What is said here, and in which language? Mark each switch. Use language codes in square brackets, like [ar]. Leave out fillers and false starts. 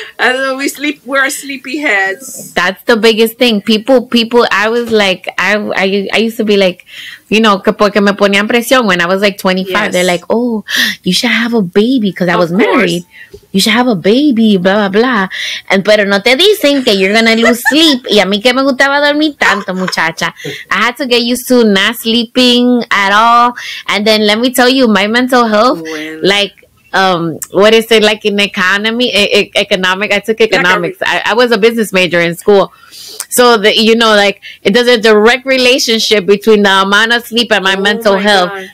[en] And we sleep. We're sleepy heads. That's the biggest thing. People, I was like, I used to be like, you know, [es] porque me ponían presión [en] when I was like 25. Yes. They're like, oh, you should have a baby because I was married. You should have a baby, blah, blah, blah. And [es] pero no te dicen que [en] you're going to lose sleep. [es] Y a mí que me gustaba dormir tanto, muchacha. [en] I had to get used to not sleeping at all. And then let me tell you, my mental health, like, what is it, like in economy, economic? I took economics. I was a business major in school. So, you know, like, it does a direct relationship between the amount of sleep and my mental health. God.